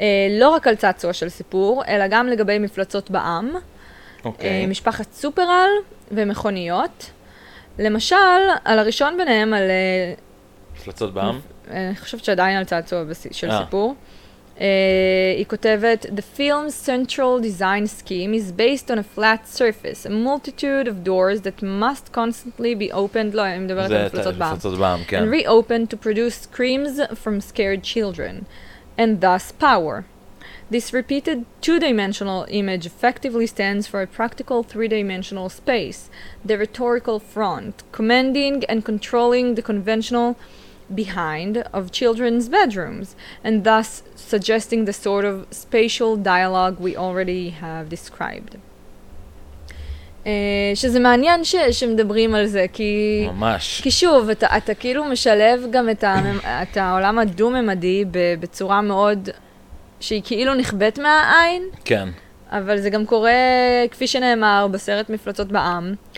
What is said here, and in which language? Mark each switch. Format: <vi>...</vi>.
<he>לא רק על צעצוע של סיפור, אלא גם לגבי מפלצות בעם. אוקיי. משפחת סופרל ומכוניות. למשל, על הראשון ביניהם על... מפלצות בעם? אני חושבת שעדיין על צעצוע של סיפור.</he> <en>היא כותבת, The film's central design scheme is based on a flat surface, a multitude of doors that must constantly be opened, לא, אני מדברת על מפלצות בעם,</en> <he>כן.</he> <en>And reopened to produce screams from scared children, and thus power. This repeated two-dimensional image effectively stands for a practical three-dimensional space, the rhetorical front, commanding and controlling the conventional behind of children's bedrooms and thus suggesting the sort of spatial dialogue we already have described.</en> <he>שזה מעניין שמדברים על זה, כי... ממש. כי שוב, אתה כאילו משלב גם את העולם הדו-ממדי בצורה מאוד שהיא כאילו נכבט מהעין. כן. אבל זה גם קורה, כפי שנאמר, בסרט מפלצות בעם.</he>